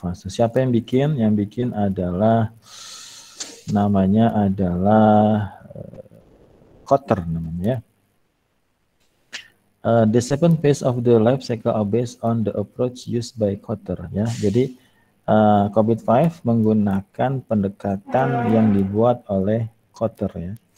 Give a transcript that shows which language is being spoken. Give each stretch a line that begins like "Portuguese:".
Indonesian: Siapa yang bikin? Yang bikin adalah namanya adalah Kotter namanya ya.
English: The second phase of the life cycle are based on the approach used by Kotter ya.
Indonesian: Jadi COVID-5 menggunakan pendekatan yang dibuat oleh Kotter ya.